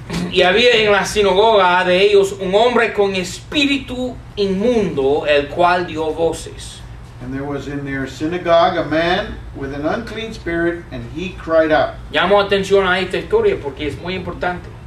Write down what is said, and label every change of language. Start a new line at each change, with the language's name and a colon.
Spanish: Y había en la sinagoga de ellos un hombre con espíritu inmundo, el cual dio voces.
English: And there was in their synagogue a man with an unclean spirit, and he cried out.
Spanish: Llamo atención a esta historia porque es muy importante.